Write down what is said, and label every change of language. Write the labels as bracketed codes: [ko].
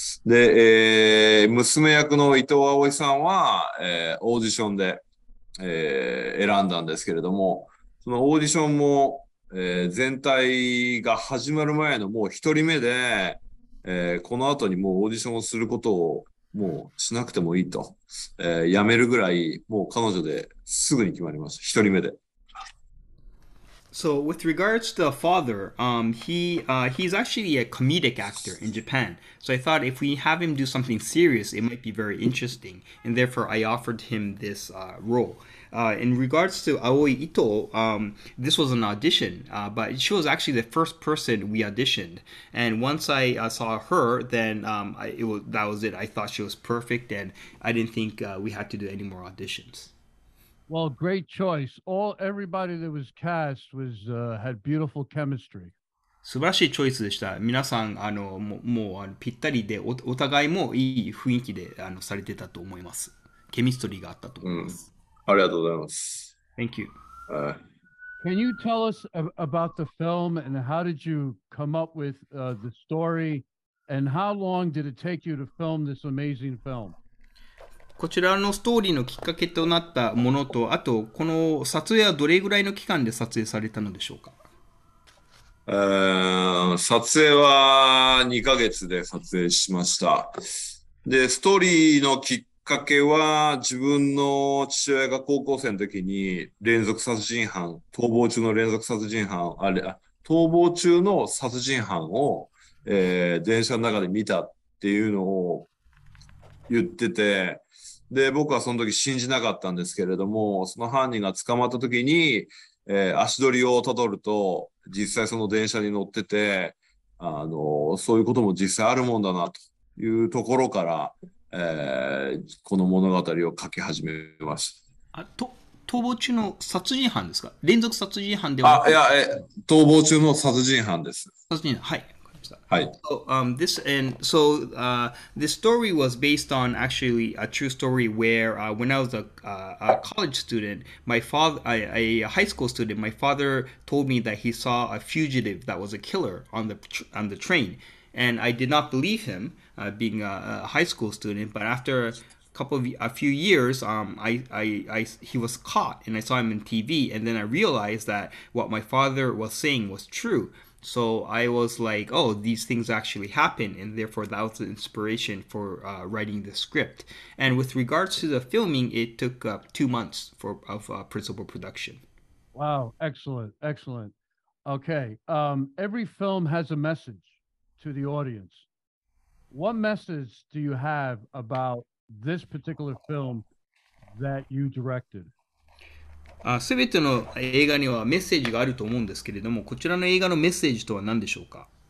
[ja] で、娘役の伊藤葵さんは、オーディションで、選んだんですけれども、そのオーディションも、全体が始まる前のもう一人目で、この後にもうオーディションをすることをもうしなくてもいいと、やめるぐらい、もう彼女ですぐに決まりました、一人目で。 [en] So with regards to the father, he's actually a comedic actor in Japan. So I thought if we have him do something serious, it might be very interesting, and therefore I offered him this role. In regards to Aoi Ito, this was an audition, but she was actually the first person we auditioned. And once I saw her, then it was that was it. I thought she was perfect, and I didn't think we had to do any more auditions. Well, great choice. Everybody that was cast was had beautiful chemistry. [ja] 素晴らしいチョイスでした。皆さん、もうぴったりで、お互いもいい雰囲気で、されてたと思います。ケミストリーがあったと思います。ありがとうございます。 [en] Thank you. Can you tell us about the film and how did you come up with the story and how long did it take you to film this amazing film? [ja] こちらのストーリーのきっかけとなったものと、あと、この撮影はどれぐらいの期間で撮影されたのでしょうか？撮影は2ヶ月で撮影しました。で、ストーリーのきっかけは自分の父親が高校生の時に連続殺人犯、逃亡中の連続殺人犯、あれ、逃亡中の殺人犯を、電車の中で見たっていうのを言ってて、で、僕はその時信じなかったんですけれども、その犯人が捕まった時に、足取りをたどると、実際その電車に乗ってて、そういうことも実際あるもんだな、というところから、この物語を書き始めました。逃亡中の殺人犯ですか？連続殺人犯ではなく、逃亡中の殺人犯です。殺人犯、はい、わかりました。はい。 [en] This story was based on actually a true story where when I was a college student, my father, a high school student, my father told me that he saw a fugitive that was a killer on the train, and I did not believe him, being a high school student, but after a few years, he was caught, and I saw him on TV, and then I realized that what my father was saying was true. So I was like, oh, these things actually happen, and therefore that was the inspiration for writing the script. And with regards to the filming, it took 2 months of principal production. Wow, excellent, excellent. Okay, every film has a message to the audience. What message do you have about this particular film that you directed? [ja] すべての映画にはメッセージがあると思うんですけれども、こちらの映画のメッセージとは何でしょうか？